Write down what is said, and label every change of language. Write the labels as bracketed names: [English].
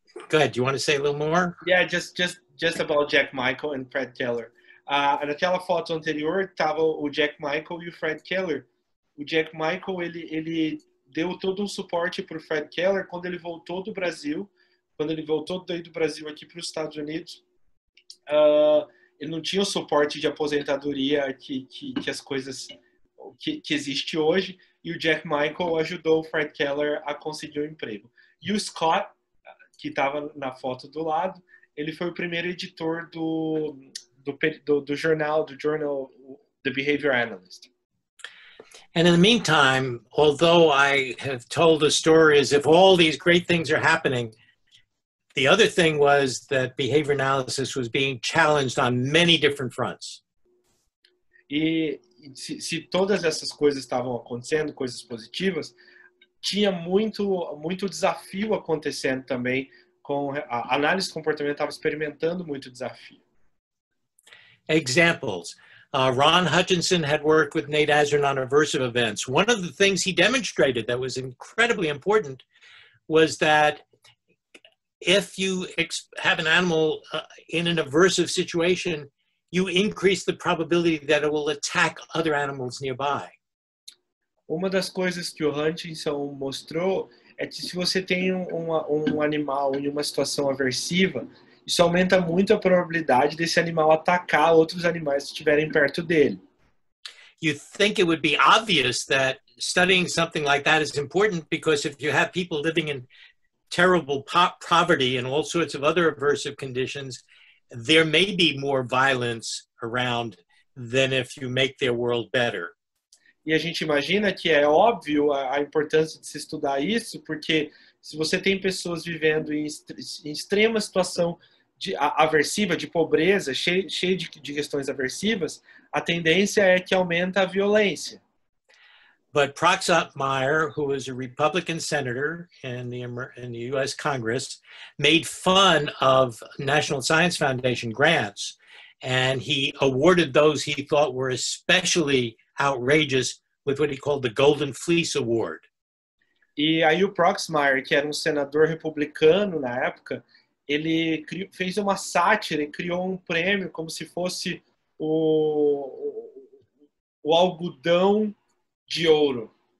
[English] Go ahead. Do you want to say a little more? Yeah, just about Jack Michael and Fred Keller. [Portuguese] Naquela foto anterior estava o Jack Michael e o Fred Keller. O Jack Michael, ele deu todo um suporte para o Fred Keller quando ele voltou do Brasil, quando ele voltou daí do Brasil aqui para os Estados Unidos. Ele não tinha o suporte de aposentadoria que as coisas que existe hoje, e o Jack Michael ajudou o Fred Keller a conseguir um emprego. E o Scott, que estava na foto do lado, ele foi o primeiro editor do jornal The Behavior Analyst. [English] And in the meantime, although I have told the story as if all these great things are happening, the other thing was that behavior analysis was being challenged on many different fronts. [Portuguese] E se todas essas coisas estavam acontecendo, coisas positivas, tinha muito desafio acontecendo também. A análise de comportamento estava experimentando muito desafio. [English] Examples. Ron Hutchinson had worked with Nate Azrin on aversive events. One of the things he demonstrated that was incredibly important was that if you have an animal in an aversive situation, you increase the probability that it will attack other animals nearby. [Portuguese] Uma das coisas que o Hutchinson mostrou é que se você tem um animal em uma situação aversiva, isso aumenta muito a probabilidade desse animal atacar outros animais que estiverem perto dele. [English] You think it would be obvious that studying something like that is important because if you have people living in terrible poverty and all sorts of other aversive conditions, there may be more violence around than if you make their world better. [Portuguese] E a gente imagina que é óbvio a importância de se estudar isso, porque se você tem pessoas vivendo em extrema situação aversiva, de pobreza, cheio de questões aversivas, a tendência é que aumenta a violência. [English] But Proxmire, who was a Republican senator in the U.S. Congress, made fun of National Science Foundation grants, and he awarded those he thought were especially outrageous with what he called the Golden Fleece Award. [Portuguese] E aí o Proxmire, que era senador republicano na época, ele fez uma sátira e criou prêmio como se fosse o algodão de ouro.